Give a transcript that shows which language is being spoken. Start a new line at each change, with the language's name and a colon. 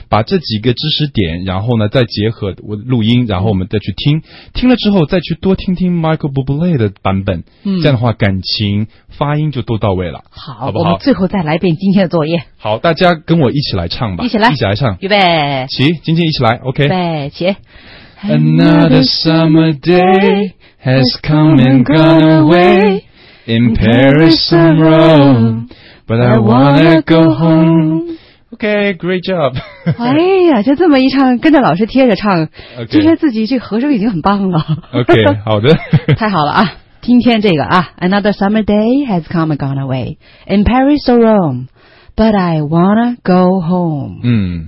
Chinese: 把这几个知识点，然后呢再结合我录音，然后我们再去听，听了之后再去多听听 Michael Bublé 的版本，嗯，这样的话感情发音就都到位了。好，好不好？我们最后再来一遍今天的作业。好，大家跟我一起来唱吧，一起来唱，预备，起，今天一起来 ，OK，预备，起。
English: Another summer day has come and gone away in Paris and Rome, but I wanna go home. Okay, great job.
Chinese: 哎呀，就这么一唱，跟着老师贴着唱， okay. 就觉得自己这个和声已经很棒了。 Okay, 好的。太好了啊！今天这个啊 ， Another summer day has come and gone away in Paris or Rome.
English: But I wanna go home.